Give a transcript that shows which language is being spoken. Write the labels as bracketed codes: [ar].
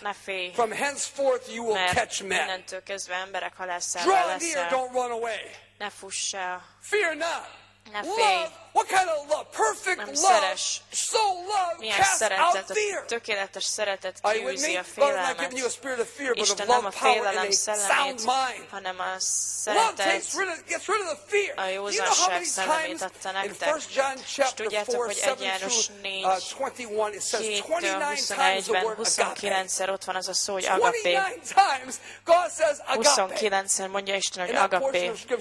[hu] Ne félj. [en] From henceforth you will catch men. [hu] Mert innentől kezdve emberek halászává leszel. [en] Draw near, don't run away. [hu] Ne fuss el. [en] Fear not. [hu] Ne félj. [en] What kind of love? Perfect love. So love casts out fear. [hu] Tökéletes szeretet kiűzi a félelmet. [en] God is not giving you a spirit of fear, but of love, power, and a sound mind. [hu] Hanem a szeretet. [en] Love gets rid of the fear. [hu] A józanság szellemét adta nektek. [en] First John chapter 4, 7-21, it says 29 times [hu] ott van az a szó, hogy agapé. 29-szer mondja Isten, hogy agapé.